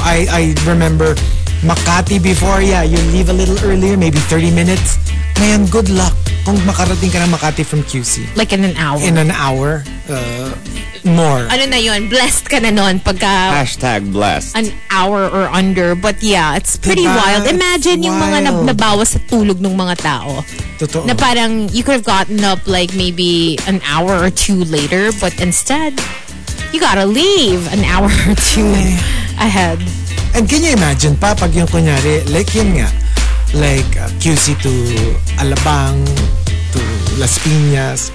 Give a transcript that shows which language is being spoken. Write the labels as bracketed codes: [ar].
[en] I remember Makati before, yeah, you leave a little earlier, maybe 30 minutes. [tl] Ngayon, [en] good luck [tl] kung makarating ka na Makati from QC. [en] Like in an hour? In an hour. More. [tl] Ano na yun? Blessed ka na nun pagka... [en] Hashtag blessed. An hour or under. But yeah, it's pretty wild. Imagine wild. [tl] Yung mga nabawas sa tulog ng mga tao. Totoo. Na parang [en] you could have gotten up like maybe an hour or two later, but instead, you gotta leave an hour or two ahead. And can you imagine [tl] pa pag yung kunyari, [en] like yun nga, like QC to Alabang, to Las Piñas.